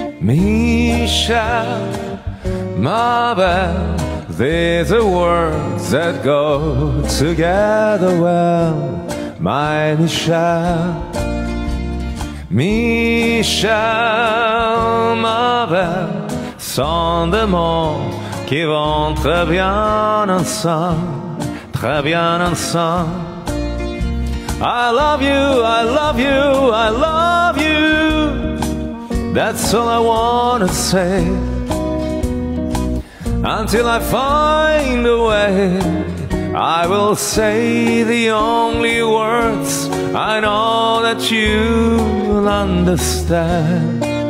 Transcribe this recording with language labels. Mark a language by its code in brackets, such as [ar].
[en] Michelle, Mabel, these are words that go together well. [fr] My Michelle, Michelle, Mabel, sans des mots qui vont très bien ensemble, très bien ensemble. [en] I love you, I love you, I love you. That's all I wanna say. Until I find a way, I will say the only words I know that you'll understand.